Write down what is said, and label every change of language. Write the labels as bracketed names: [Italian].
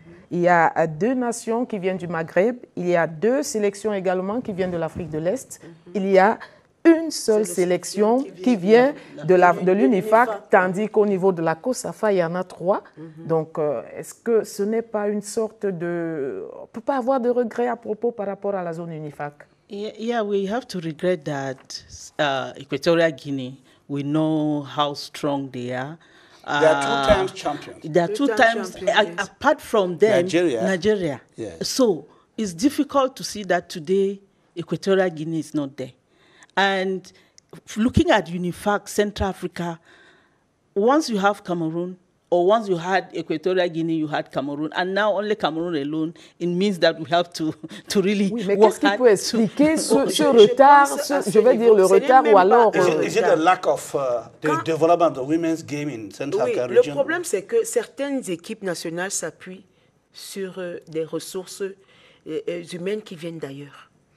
[French] Il y a deux nations qui viennent du Maghreb. Il y a deux sélections également qui viennent de l'Afrique de l'Est. Mm-hmm. Il y a une seule sélection qui vient de l'UNIFAC, tandis qu'au niveau de la COSAFA, il y en a trois. Mm-hmm. Donc, est-ce que ce n'est pas une sorte de... On ne peut pas avoir de regrets à propos par rapport à la zone UNIFAC. [English] Yeah, we have to regret that Equatorial Guinea, we know how strong they are. They are two times champions. They are two times, yes. Apart from them, Nigeria. Yes. So it's difficult to see that today Equatorial Guinea is not there. And looking at UNIFAC, Central Africa, once you have Cameroon, or once you had Equatorial Guinea, you had Cameroon, and now only Cameroon alone, it means that we have to really [French] oui, mais work qu'est-ce qui peut expliquer ce retard, je vais dire le retard ou alors... [English] Is it a lack of the development of women's game in Central Africa [French] oui, [English] region? [French] Le problème, c'est que certaines équipes nationales s'appuient sur des ressources humaines qui viennent d'ailleurs.